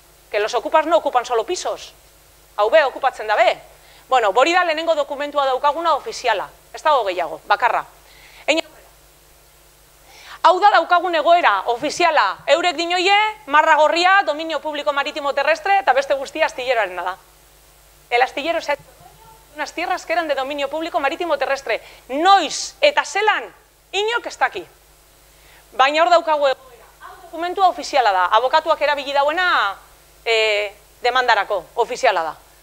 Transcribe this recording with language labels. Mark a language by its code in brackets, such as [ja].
[es] Que los okupas no okupan solo pisos. [eu] Hau be, okupatzen dabe. Bueno, bori da lehenengo dokumentua daukaguna ofiziala. Ez dago gehiago, bakarra. Hau da daukagun egoera, ofiziala. Eurek dinoie, marra gorria, dominio publiko maritimo terrestre, eta beste guztia astilleroaren da. [es] El astillero se ha hecho unas tierras que eran de dominio publiko maritimo terrestre. [eu] Noiz eta zelan, inok ez daki. Baina hor daukagu egoera. Hau dokumentua ofiziala da. Abokatuak erabili dauena demandarako, ofiziala da.